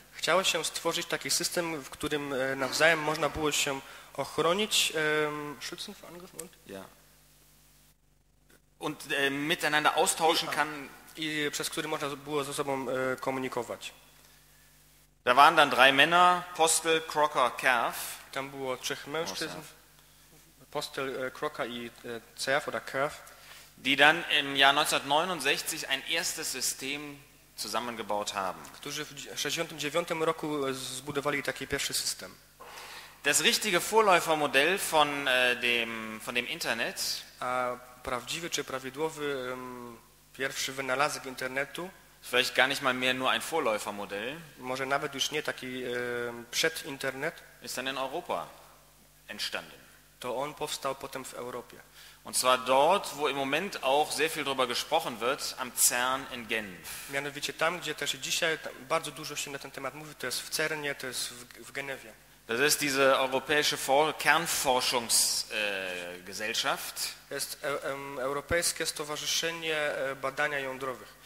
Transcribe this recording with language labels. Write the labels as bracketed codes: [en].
[pl] Chciało się stworzyć taki system, w którym nawzajem można było się ochronić [de] schützen vor Angriffen und ja. Und miteinander austauschen kann [pl] i przez który można było ze sobą komunikować. [de] Da waren dann drei Männer, Postel, Crocker, Kerf. [pl] Tam było trzech mężczyzn, Postel, Crocker i Cerf [de] oder Kerf, die dann im Jahr 1969 ein erstes System zusammengebaut haben. [pl] Którzy w 69 roku zbudowali taki pierwszy system. [de] Das richtige Vorläufermodell von dem Internet, [pl] a prawdziwy czy prawidłowy pierwszy wynalazek internetu, [de] vielleicht gar nicht mal mehr nur ein Vorläufermodell, [pl] może nawet już nie taki przed internet, [de] ist dann in Europa entstanden. [pl] To on powstał potem w Europie. [de] Und zwar dort, wo im Moment auch sehr viel darüber gesprochen wird, am CERN in Genf. [pl] Mianowicie tam, gdzie też dzisiaj bardzo dużo się na ten temat mówi, to jest w CERN-ie, to jest w Genewie. [de] Das ist diese europäische Kernforschungsgesellschaft. [pl] Europejskie Stowarzyszenie Badania Jądrowych.